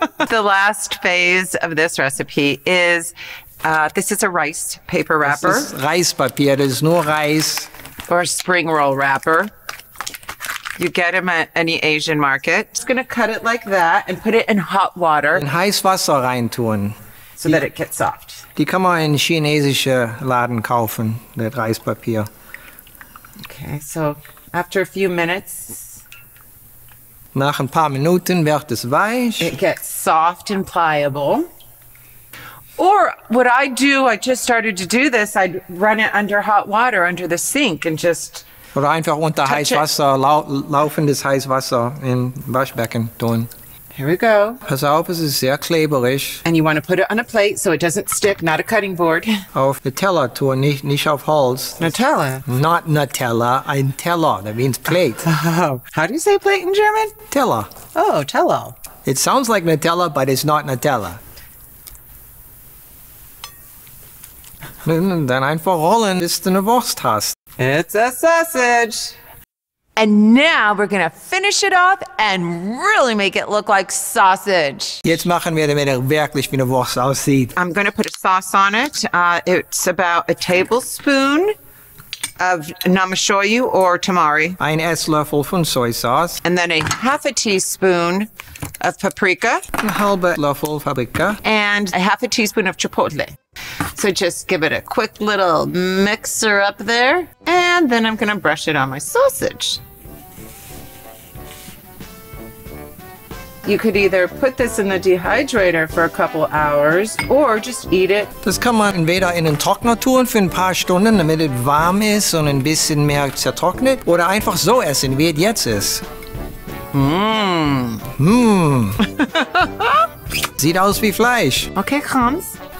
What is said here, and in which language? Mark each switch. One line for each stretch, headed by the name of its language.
English: The last phase of this recipe is, this is a rice paper wrapper.
German: Das ist Reispapier, das ist nur Reis.
English: Or a spring roll wrapper. You get them at any Asian market. Just gonna cut it like that and put it in hot water.
German: In heiß Wasser reintun.
English: So that it gets soft.
German: Die kann man in chinesische Laden kaufen, das Reispapier.
English: Okay, so after a few minutes.
German: Nach ein paar Minuten wird es weich.
English: It gets soft and pliable. Or what I do, I just started to do this, I'd run it under hot water, under the sink and just.
German: Oder einfach unter heißes Wasser, laufendes heißes Wasser im Waschbecken tun.
English: Here we go.
German: Pass auf, es ist sehr klebrig.
English: And you want to put it on a plate so it doesn't stick, not a cutting board.
German: Auf den Teller tun, nicht auf Holz.
English: Nutella. Not Nutella,
German: ein Teller.
English: That means plate. How do you say plate in German?
German: Teller.
English: Oh, Teller. It sounds like Nutella, but it's not Nutella.
German: Dann einfach rollen, bis du eine Wurst hast.
English: It's a sausage. And now we're gonna finish it off and really make it look like sausage.
German: Jetzt machen wir, damit wirklich wie eine Wurst aussieht.
English: I'm gonna put a sauce on it. It's about 1 tablespoon of namashoyu or tamari.
German: Ein Esslöffel von soy sauce.
English: And then 1/2 teaspoon of paprika.
German: Ein halber Löffel paprika.
English: And 1/2 teaspoon of chipotle. So just give it a quick little mixer up there, and then I'm gonna brush it on my sausage. You could either put this in the dehydrator for a couple hours, or just eat it.
German: Das kann man entweder in den Trockner tun für ein paar Stunden, damit es warm ist und ein bisschen mehr zertrocknet, oder einfach so essen, wie es jetzt ist. Sieht aus wie Fleisch.
English: Okay, Hans.